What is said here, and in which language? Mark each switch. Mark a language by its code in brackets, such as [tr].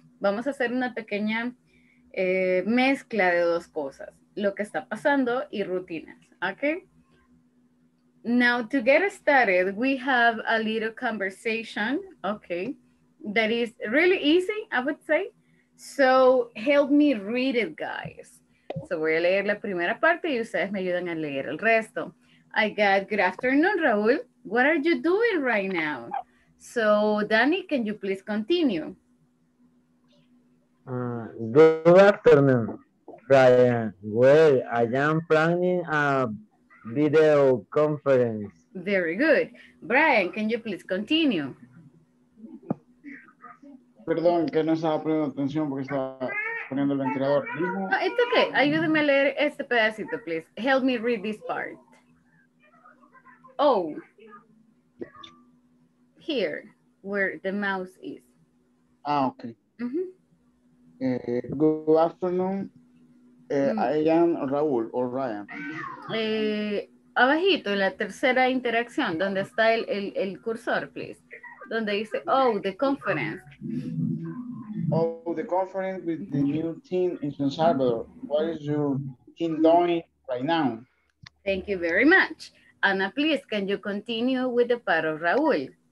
[es] Vamos a hacer una pequeña mezcla de dos cosas, lo que está pasando y rutinas, okay? [en] Now, to get started, we have a little conversation, okay, that is really easy, I would say. So, help me read it, guys. [es] So, voy a leer la primera parte y ustedes me ayudan a leer el resto. [en] I got, good afternoon, Raúl. What are you doing right now? So, Danny, can you please continue? Good afternoon, Ryan. Well, I am planning a video conference. Very good. Brian, can you please continue? [es] Perdón, que no estaba poniendo atención porque estaba poniendo el ventilador. [en] No, it's okay. [es] Ayúdame a leer este pedacito, [en] please. Help me read this part. Oh. Here, where the mouse is. Ah, okay. Mm-hmm. Good afternoon. I am Raúl or Ryan. [es] Abajito, en la tercera interacción, donde está el cursor, please. Donde dice, [en] oh, the conference. Oh, the conference with the new team in San Salvador. What is your team doing right now? Thank you very much. Ana, please, can you continue with the part of Raúl?